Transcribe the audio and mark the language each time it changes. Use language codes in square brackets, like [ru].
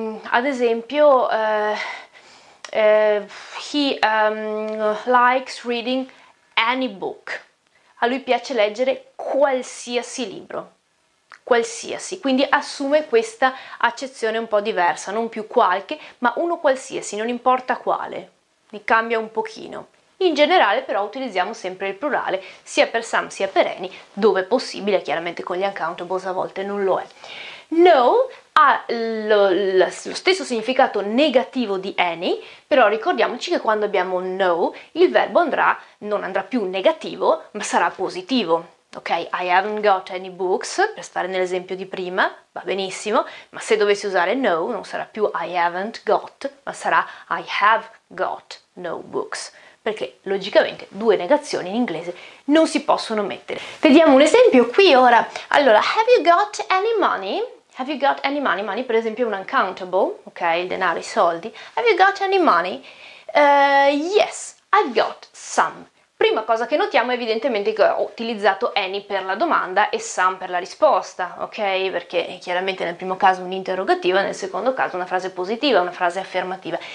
[it] Ad esempio, [en] he likes reading any book. [it] A lui piace leggere qualsiasi libro. Qualsiasi, quindi assume questa accezione un po' diversa, non più qualche, ma uno qualsiasi, non importa quale. Cambia un pochino. In generale però utilizziamo sempre il plurale sia per some sia per any, dove è possibile, chiaramente con gli uncountables a volte non lo è. No ha lo stesso significato negativo di any, però ricordiamoci che quando abbiamo no il verbo non andrà più negativo ma sarà positivo. Ok, [en] I haven't got any books, [it] per stare nell'esempio di prima, va benissimo, ma se dovessi usare no, non sarà più [en] I haven't got, [it] ma sarà [en] I have got no books, [it] perché logicamente due negazioni in inglese non si possono mettere. Vediamo un esempio qui ora. [en] Allora, have you got any money? Have you got any money? [it] Money per esempio è un uncountable, ok, il denaro, i soldi. [en] Have you got any money? Yes, I've got some. [it] Prima cosa che notiamo è evidentemente che ho utilizzato any per la domanda e some per la risposta, ok? Perché chiaramente nel primo caso un'interrogativa, nel secondo caso una frase positiva, una frase affermativa.